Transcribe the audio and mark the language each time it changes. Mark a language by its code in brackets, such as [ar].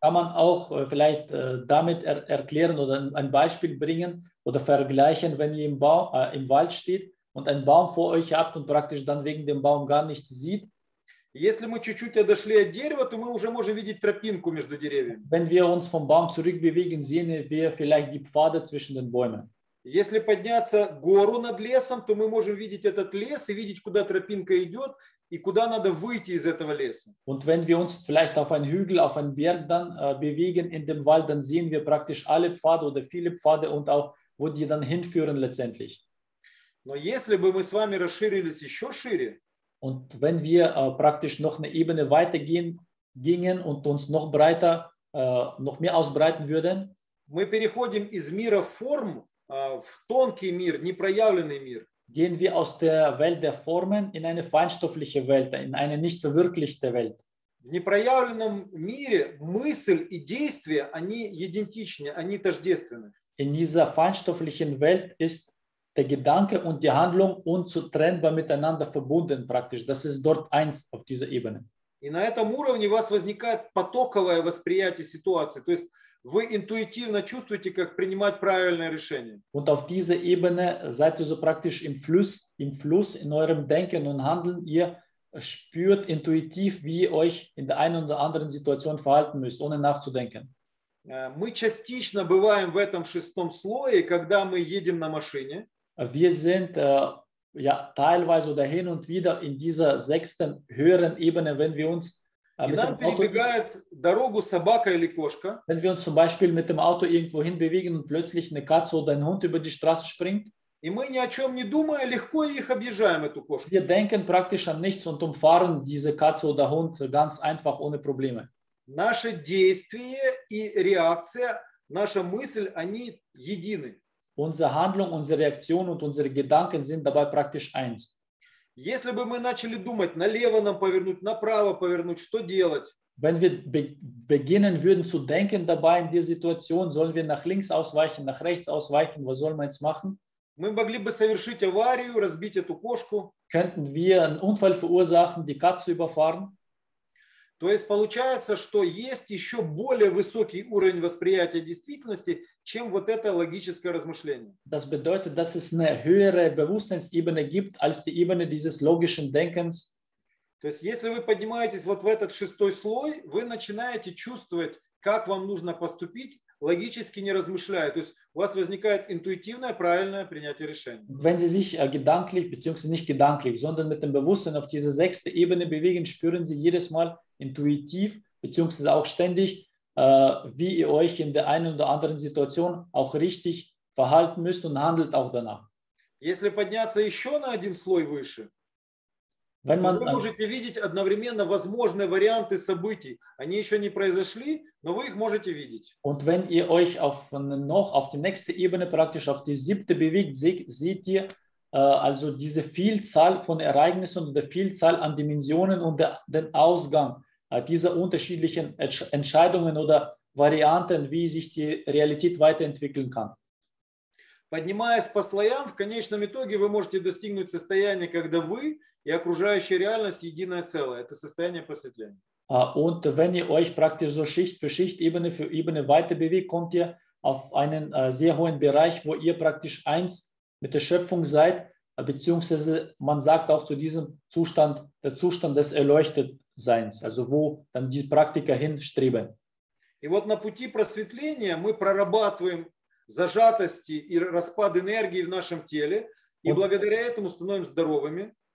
[de] Kann man auch vielleicht damit erklären oder ein Beispiel bringen oder vergleichen, wenn ihr im Wald steht und ein Baum vor euch habt und praktisch dann wegen dem Baum gar nichts sieht. [ru] Если мы чуть-чуть отошли от дерева, то мы уже можем видеть тропинку между деревьями. [de] Wenn wir uns vom Baum zurückbewegen, sehen wir vielleicht die Pfade zwischen den Bäumen. [ru] Если подняться гору над лесом, то мы можем видеть этот лес и видеть, куда тропинка идет и куда надо выйти из этого леса. [de] Und wenn wir uns vielleicht auf einen Hügel, auf einen Berg dann bewegen in dem Wald, dann sehen wir praktisch alle Pfade oder viele Pfade und auch, wo die dann hinführen letztendlich. [ru] Но если бы мы с вами расширились еще шире, [de] und wenn wir praktisch noch eine Ebene weitergehen gingen und uns noch breiter, noch mehr ausbreiten würden, [ru] мы переходим из мира форм в тонкий мир, непроявленный мир. [de] gehen wir aus der Welt der Formen in eine feinstoffliche Welt, in eine nicht verwirklichte Welt. [ru] В непроявленном мире мысль и действие, они идентичны, они тождественны. [de] In dieser feinstofflichen Welt ist der Gedanke und die Handlung unzutrennbar miteinander verbunden praktisch. Das ist dort eins auf dieser Ebene. [ru] И на этом уровне у вас возникает потоковое восприятие ситуации, то есть вы интуитивно чувствуете, как принимать правильное решение. [de] Und auf dieser Ebene seid ihr so praktisch im Fluss in eurem Denken und Handeln, ihr spürt intuitiv, wie ihr euch in der einen oder anderen Situation verhalten müsst, ohne nachzudenken. [ru] Мы частично бываем в этом шестом слое, когда мы едем на машине. [de] Wir sind ja teilweise oder hin und wieder in dieser sechsten höheren Ebene, wenn wir uns mit dem Auto [ru] перебегает дорогу собака или кошка. [de] Wenn wir uns zum Beispiel mit dem Auto irgendwohin bewegen und plötzlich eine Katze oder ein Hund über die Straße springt. [ru] И мы ни о чем не думая, легко их объезжаем, эту кошку. [de] Wir denken praktisch an nichts und umfahren diese Katze oder Hund ganz einfach ohne Probleme. [ru] Наше действие и реакция, наша мысль, они едины. [de] Unsere Handlung, unsere Reaktion und unsere Gedanken sind dabei praktisch eins. [ru] Если бы мы начали думать, налево нам повернуть, направо повернуть, что делать? [de] Wenn wir beginnen würden zu denken dabei in der Situation, sollen wir nach links ausweichen, nach rechts ausweichen, was sollen wir jetzt machen? [ru] Мы могли бы совершить аварию, разбить эту кошку. [de] Könnten wir einen Unfall verursachen, die Katze überfahren? [ru] То есть получается, что есть еще более высокий уровень восприятия действительности, чем вот это логическое размышление. [de] Das bedeutet, dass es eine höhere Bewusstseinsebene gibt, als die Ebene dieses logischen Denkens. [ru] То есть если вы поднимаетесь вот в этот шестой слой, вы начинаете чувствовать, как вам нужно поступить, логически не размышляя. То есть у вас возникает интуитивное, правильное принятие решения. [de] Wenn Sie sich gedanklich, beziehungsweise nicht gedanklich, sondern mit dem Bewusstsein auf diese sechste Ebene bewegen, spüren Sie jedes Mal intuitiv, beziehungsweise auch ständig, wie ihr euch in der einen oder anderen Situation auch richtig verhalten müsst und handelt auch danach. [ru] Если подняться еще на один слой выше, [de] Wenn man, [ru] вы можете видеть одновременно возможные варианты событий. Они еще не произошли, но вы их можете видеть. [de] Und wenn ihr euch auf die nächste Ebene, praktisch auf die siebte bewegt, seht ihr also diese Vielzahl von Ereignissen und der Vielzahl an Dimensionen und den Ausgang dieser unterschiedlichen Entscheidungen oder Varianten, wie sich die Realität weiterentwickeln kann. [ru] Поднимаясь по слоям, в конечном итоге вы можете достигнуть состояния, когда вы и окружающая реальность единое целое. Это состояние просветления. [de] Und wenn ihr euch praktisch so Schicht für Schicht, Ebene für Ebene weiter bewegt, kommt ihr auf einen sehr hohen Bereich, wo ihr praktisch eins mit der Schöpfung seid, beziehungsweise man sagt auch zu diesem Zustand, der Zustand des Erleuchtetseins, also wo dann die Praktiker hinstreben. [ru] И вот на пути просветления мы прорабатываем зажатости и распад энергии в нашем теле, и благодаря этому становимся здоровыми.